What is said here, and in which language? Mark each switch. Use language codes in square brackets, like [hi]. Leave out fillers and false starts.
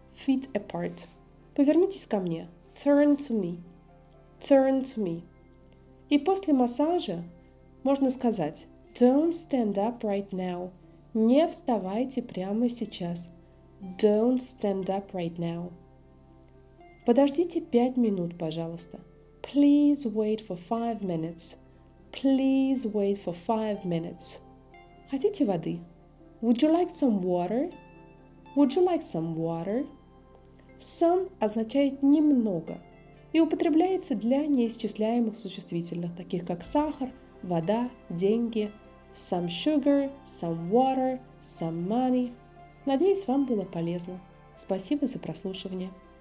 [en] Feet apart. [ru] Повернитесь ко мне. [en] Turn to me. Turn to me. [ru] И после массажа можно сказать [en] Don't stand up right now. [ru] Не вставайте прямо сейчас. [en] Don't stand up right now. [ru] Подождите 5 минут, пожалуйста. [en] Please wait for 5 minutes. Please wait for 5 minutes. [ru] Хотите воды? [en] Would you like some water? Would you like some water? [ru] Some означает немного и употребляется для неисчисляемых существительных, таких как сахар, вода, деньги. [en] Some sugar, some water, some money. [ru] Надеюсь, вам было полезно. Спасибо за прослушивание.